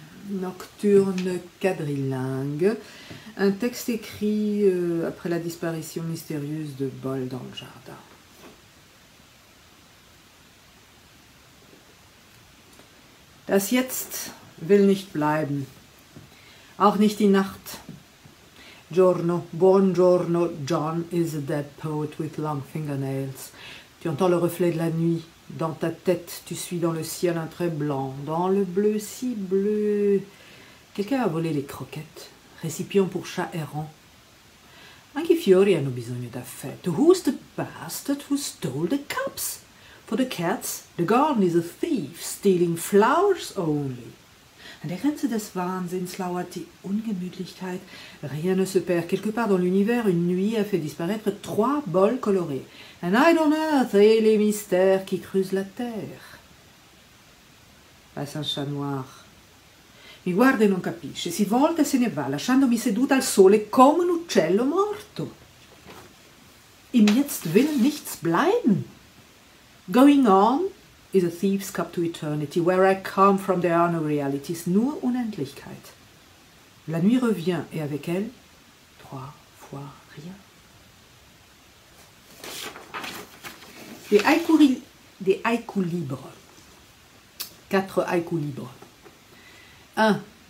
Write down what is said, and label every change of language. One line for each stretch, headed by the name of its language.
French: Nocturne quadrilingue, un texte écrit après la disparition mystérieuse de Bol dans le jardin.
German: Das Jetzt will nicht bleiben, auch nicht die Nacht.
Italian: Giorno, buongiorno,
English: John is a dead poet with long fingernails.
French: Tu entends le reflet de la nuit dans ta tête, tu suis dans le ciel un trait blanc, dans le bleu si bleu. Quelqu'un a volé les croquettes, récipient pour chat errant.
Italian: Anche i fiori hanno bisogno d'affetto.
English: Who's the bastard who stole the cups? For the cats, the garden is a thief, stealing flowers only.
German: An der Grenze des Wahnsinns lauert die Ungemütlichkeit.
French: Rien ne se perd. Quelque part dans l'univers, une nuit a fait disparaître trois bols colorés.
English: A night on earth
French: et les mystères qui creusent la terre. Passe un chat noir.
Italian: Mi guarda e non capisce. Si volta e se ne va, lasciandomi seduta al sole come un uccello morto.
German: Im Jetzt will nichts bleiben.
English: Going on is a thief's cup to eternity. Where I come from, there are no realities.
German: Nur Unendlichkeit.
French: La nuit revient, et avec elle, trois fois rien. Des haïkus libres. Quatre haïkus libres. 1.